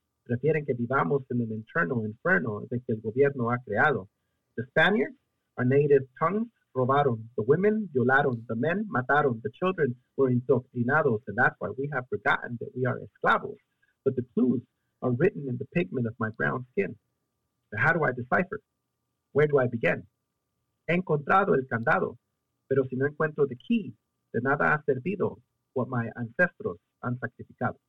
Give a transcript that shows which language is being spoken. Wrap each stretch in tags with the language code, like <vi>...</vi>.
<es>Prefieren que vivamos en el</es> <en>internal inferno</en> <es>de que el gobierno ha creado.</es> <en>The Spaniards? Our native tongues</en> <es>robaron,</es> <en>the women</en> <es>violaron,</es> <en>the men</en> <es>mataron,</es> <en>the children were</en> <es>indoctrinados,</es> <en>and that's why we have forgotten that we are</en> <es>esclavos.</es> <en>But the clues are written in the pigment of my brown skin. But how do I decipher? Where do I begin?</en> <es>He encontrado el candado, pero si no encuentro</es> <en>the key,</en> <es>de nada ha servido</es> <en>what my</en> <es>ancestros han sacrificado.</es>